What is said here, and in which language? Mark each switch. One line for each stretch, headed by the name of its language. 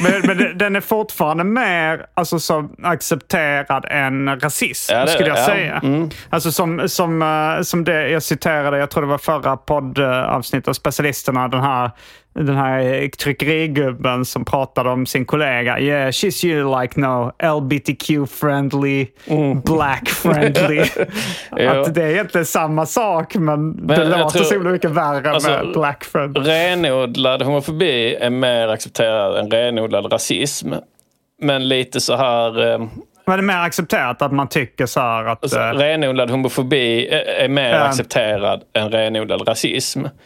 Swedish: Men den är fortfarande mer... Alltså, som accepterad en rasism, ja, det, skulle jag säga. Mm. Alltså som det jag citerade, jag tror det var förra poddavsnitt av Specialisterna, den här tryckerigubben som pratade om sin kollega.
English: Yeah, she's you like no LGBTQ-friendly, black-friendly.
Swedish: Att det är egentligen samma sak, men det låter tror, så himla mycket värre alltså, med black-friendly. Renodlad homofobi är mer accepterad än renodlad rasism. Men lite så här... Men det är mer accepterat att man tycker så här att... Alltså, renodlad homofobi är mer accepterad än renodlad rasism.